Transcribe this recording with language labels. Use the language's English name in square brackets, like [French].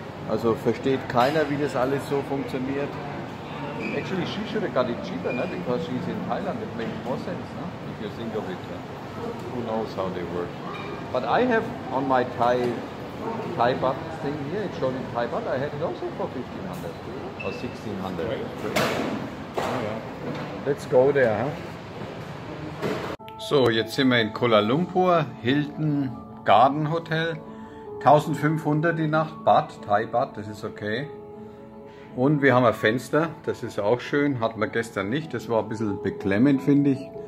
[German] Also versteht keiner, wie das alles so funktioniert. [English] Actually, she should have got it cheaper, ne? Because she's in Thailand. It makes more sense, ne? If you think of it. Ne? Who knows how they work. But I have on my Thai baht thing here, it's shown in Thai baht, I had it also for 1500 or 1600. Let's go there, huh? [German] So, jetzt sind wir in Kuala Lumpur, Hilton Garden Hotel. 1500 die Nacht, Baht, Thai Baht, das ist okay. Und wir haben ein Fenster, das ist auch schön, hatten wir gestern nicht, das war ein bisschen beklemmend, finde ich.